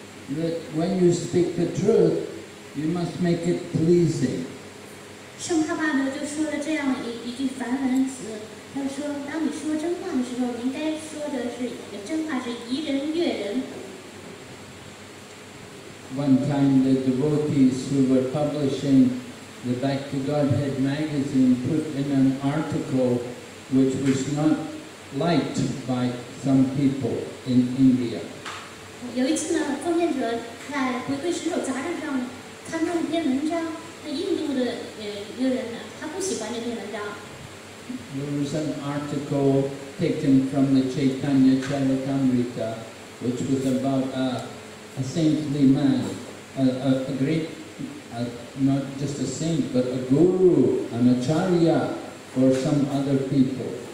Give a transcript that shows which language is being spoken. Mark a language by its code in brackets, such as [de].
[en] That when you speak the truth, you must make it pleasing. [zh] 圣帕巴德就说了这样一句梵文词。 [en] One time the devotees who were publishing the Back to Godhead magazine put in an article which was not liked by some people in India. [zh] 有一次呢，奉献者在《回归使者》杂志上刊登一篇文章，那印度的一个人呢，他不喜欢这篇文章。 [en] There was an article taken from the Chaitanya Charitamrita which was about a saintly man, a great, not just a saint, but a guru, an acharya for some other people.